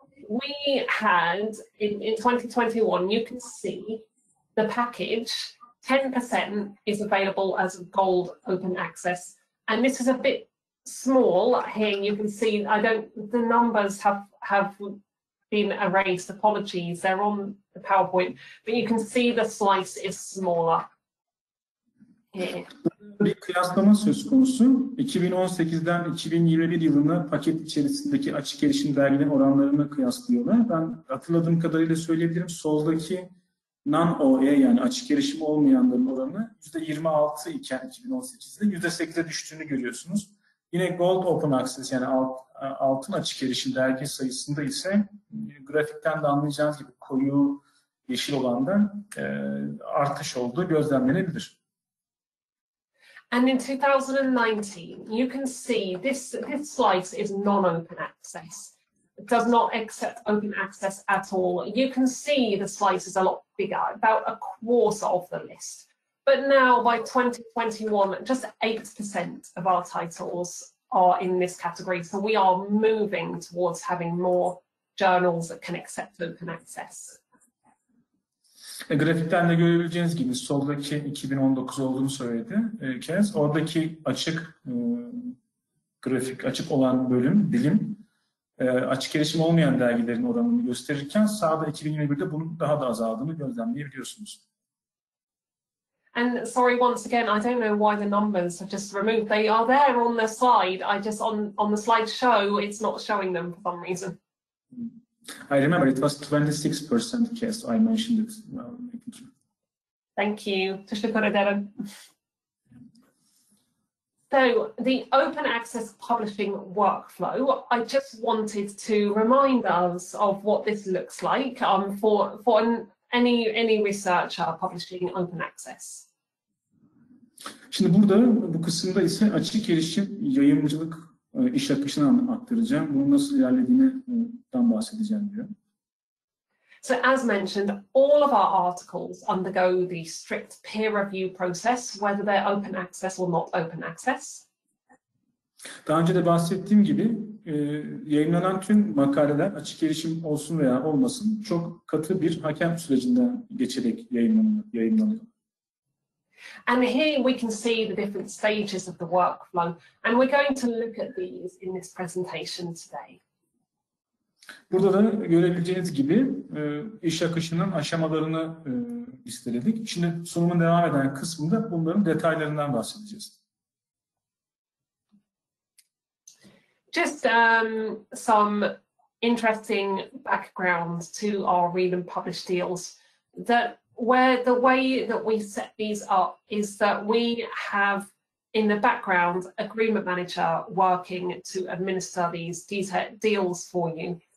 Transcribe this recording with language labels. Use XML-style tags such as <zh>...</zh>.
<en>We had, in 2021, you can see the package, 10% is available as gold open access. And this is a bit small here. You can see, the numbers have been erased. Apologies, they're on the PowerPoint. But you can see the slice is smaller here.</en> <tr>Bir kıyaslama söz konusu. 2018'den 2021 yılına paket içerisindeki açık erişim dergine oranlarını kıyaslıyorlar. Ben hatırladığım kadarıyla söyleyebilirim. Soldaki non-OE yani açık erişim olmayanların oranı %26 iken 2018'de %8'e düştüğünü görüyorsunuz. Yine Gold Open Access yani altın açık erişim dergi sayısında ise grafikten de anlayacağınız gibi koyu yeşil olanda artış olduğu gözlemlenebilir.</tr> <en>And in 2019, you can see this slice is non-open access. It does not accept open access at all. You can see the slice is a lot bigger, about a quarter of the list. But now by 2021, just 8% of our titles are in this category. So we are moving towards having more journals that can accept open access.</en> <tr>Grafikten de görebileceğiniz gibi soldaki 2019 olduğunu söyledi Kez. Oradaki açık grafik, açık olan bölüm, dilim açık erişim olmayan dergilerin oranını gösterirken sağda 2021'de bunun daha da azaldığını gözlemleyebiliyorsunuz.</tr> <en>And sorry once again, I don't know why the numbers are just removed. They are there on the slide. I just on the slide show, it's not showing them for some reason. I remember it was 26% case, I mentioned it. Thank you.</en> <tr>Teşekkür ederim.</tr> <en>So, the open access publishing workflow, I just wanted to remind us of what this looks like for any researcher publishing open access.</en> <tr>Şimdi burada bu kısımda ise açık erişim yayıncılık iş akışını aktaracağım. Bunun nasıl ilerlediğinden bahsedeceğim diyor. So as mentioned, all of our articles undergo the strict peer review process, whether they're open access or not open access. Daha önce de bahsettiğim gibi, yayınlanan tüm makaleler açık erişim olsun veya olmasın, çok katı bir hakem sürecinden geçerek yayınlanıyor. And here we can see the different stages of the workflow, and we're going to look at these in this presentation today. Burada da görebileceğiniz gibi iş akışının aşamalarını listeledik. Şimdi sunumun devam eden kısmında bunların detaylarından bahsedeceğiz.</tr> <en>Just some interesting background to our read and publish deals that where the way that we set these up is that we have in the background agreement manager working to administer these deals for you.</en>